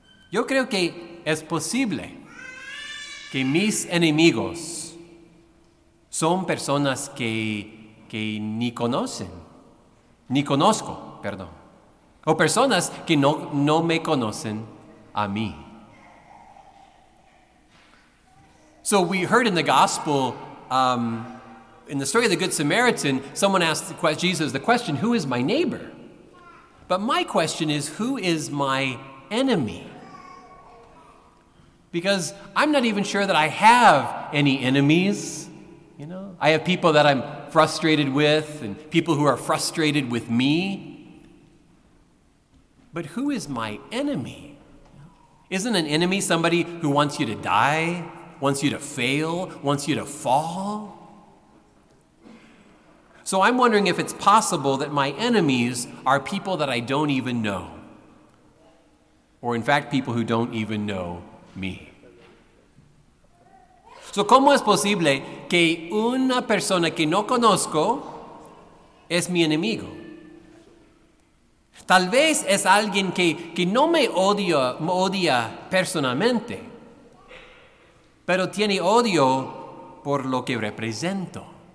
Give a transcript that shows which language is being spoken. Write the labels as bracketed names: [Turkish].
[Spanish] Yo creo que es posible que mis enemigos son personas que ni conocen, ni conozco, perdón. O personas que no me conocen a mí. [English] So we heard in the gospel, in the story of the Good Samaritan, someone asked Jesus the question, who is my neighbor? But my question is, who is my enemy? Because I'm not even sure that I have any enemies. You know, I have people that I'm frustrated with and people who are frustrated with me. But who is my enemy? Isn't an enemy somebody who wants you to die, wants you to fail, wants you to fall? So I'm wondering if it's possible that my enemies are people that I don't even know. Or in fact, people who don't even know me. [Spanish] So, ¿cómo es posible que una persona que no conozco es mi enemigo? Tal vez es alguien que no me odia personalmente, pero tiene odio por lo que represento.